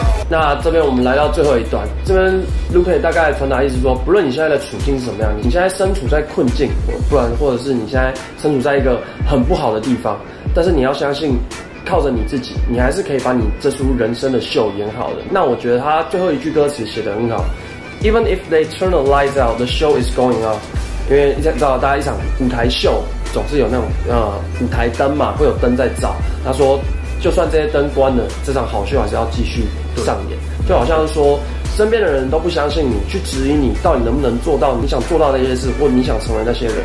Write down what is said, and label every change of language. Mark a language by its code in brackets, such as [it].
[zh] 那这边我们来到最后一段，这边 Luke 大概传达意思是说，不论你现在的处境是什么样，你现在身处在困境，不然或者是你现在身处在一个很不好的地方，但是你要相信。靠着你自己，你还是可以把你这出人生的秀演好的。那我觉得他最后一句歌词写得很好， [en] Even if they turn the lights out, the show is going on. [zh] 因为你知道，大家一场舞台秀总是有那种舞台灯嘛，会有灯在照。他说，就算这些灯关了，这场好秀还是要继续上演。就好像是说，身边的人都不相信你，去质疑你到底能不能做到你想做到的那些事，或你想成为那些人。